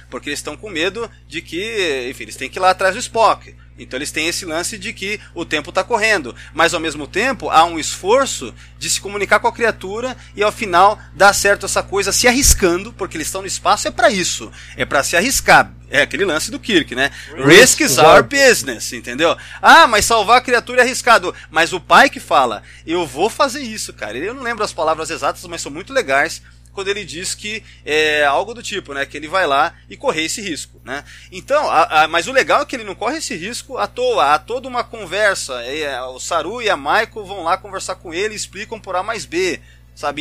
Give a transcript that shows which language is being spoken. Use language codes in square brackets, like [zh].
[pt] Porque eles estão com medo de que, enfim, eles têm que ir lá atrás do Spock. Então eles têm esse lance de que o tempo está correndo, mas ao mesmo tempo há um esforço de se comunicar com a criatura e ao final dá certo essa coisa, se arriscando, porque eles estão no espaço, é para isso, é para se arriscar. É aquele lance do Kirk, né? [en] Risk is our business, entendeu? [pt] Ah, mas salvar a criatura é arriscado. Mas o pai que fala, eu vou fazer isso, cara. Eu não lembro as palavras exatas, mas são muito legais quando ele diz que é algo do tipo, né? Que ele vai lá e correr esse risco, né? Então, mas o legal é que ele não corre esse risco à toa. Há toda uma conversa. O Saru e a Michael vão lá conversar com ele e explicam por A mais B, sabe?